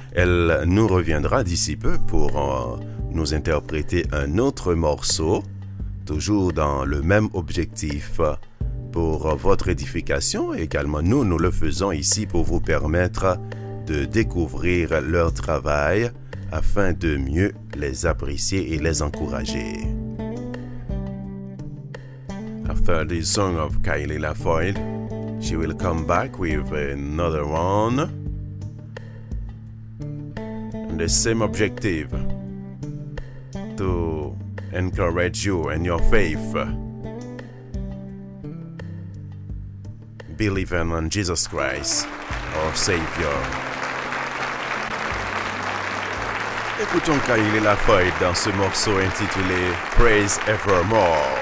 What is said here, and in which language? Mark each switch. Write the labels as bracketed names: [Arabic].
[French] Elle nous reviendra d'ici peu pour nous interpréter un autre morceau, toujours dans le même objectif, pour votre édification. Également, nous le faisons ici pour vous permettre de découvrir leur travail afin de mieux les apprécier et les encourager. [English] After the song of Kaylee Lafoyd, she will come back with another one. And the same objective, to encourage you and your faith, believing on Jesus Christ, our Savior. [French] Écoutons Kaylee Lafoyd dans ce morceau intitulé Praise Evermore.